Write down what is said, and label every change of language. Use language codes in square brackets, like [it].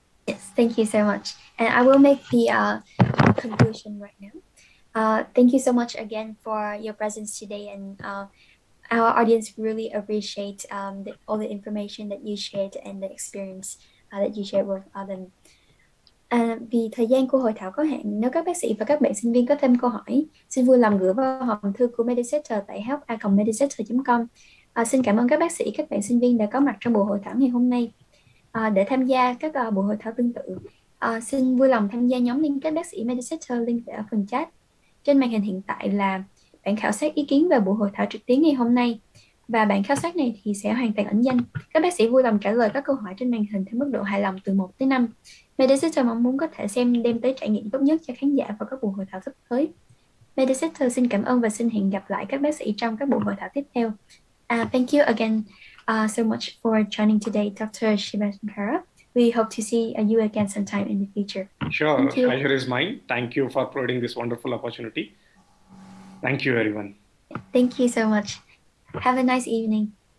[en] Yes, thank you so much. And I will make the conclusion right now. Thank you so much again for your presence today. And our audience really appreciate all the information that you shared and the experience that you shared with them. [vi] Vì thời gian của hội thảo có hạn, nếu các bác sĩ và các bạn sinh viên có thêm câu hỏi, xin vui lòng gửi vào hòm thư của MediCenter tại help@medicenter.com. Xin cảm ơn các bác sĩ, các bạn sinh viên đã có mặt trong buổi hội thảo ngày hôm nay để tham gia các buổi hội thảo tương tự. Xin vui lòng tham gia nhóm liên kết bác sĩ MediCenter link ở phần chat. Trên màn hình hiện tại là bản khảo sát ý kiến về buổi hội thảo trực tuyến ngày hôm nay. Và bản khảo sát này thì sẽ hoàn toàn ẩn danh. Các bác sĩ vui lòng trả lời các câu hỏi trên màn hình theo mức độ hài lòng từ 1 tới 5. MediCenter mong muốn có thể xem đem tới trải nghiệm tốt nhất cho khán giả vào các buổi hội thảo sắp tới. MediCenter xin cảm ơn và xin hẹn gặp lại các bác sĩ trong các buổi hội thảo tiếp theo. [en] Thank you again so much for joining today, Dr. Shivashankara. We hope to see you again sometime in the future. Sure, Thank you. pleasure is mine. Thank you for providing this wonderful opportunity. Thank you, everyone. Thank you so much. Have a nice evening.